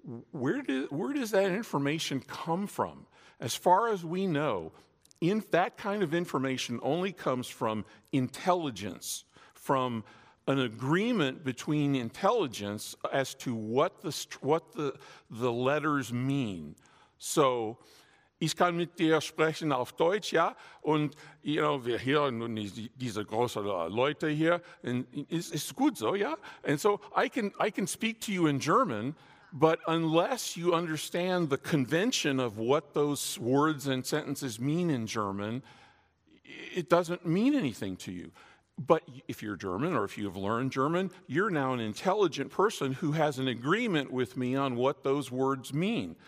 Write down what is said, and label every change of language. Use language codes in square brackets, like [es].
[en] Where does that information come from? As far as we know, that kind of information only comes from intelligence, from an agreement between intelligence as to what the letters mean. [de] So, ich kann mit dir sprechen auf Deutsch, ja? Und, [en] you know, [de] wir hören nun diese großen Leute hier. [en] And it's good, so, yeah? And so I can speak to you in German, but unless you understand the convention of what those words and sentences mean in German, it doesn't mean anything to you. But if you're German or if you've learned German, you're now an intelligent person who has an agreement with me on what those words mean.